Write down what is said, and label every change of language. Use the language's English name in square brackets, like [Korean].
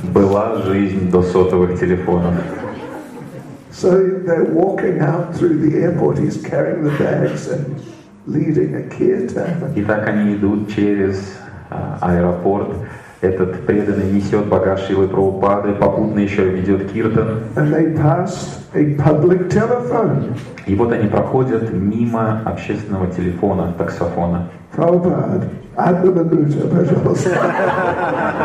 [Russian] Была жизнь до сотовых телефонов. [English] So they're walking out through the airport. He's carrying the bags and leading a kirtan. [Russian] И так они идут через аэропорт. Этот преданный несет багаж Шрилы Прабхупады, попутно еще ведет киртан. [English] And they passed a public telephone. [Russian] И вот они проходят мимо общественного телефона, таксофона. Prabhupada, одна минута, пожалуйста.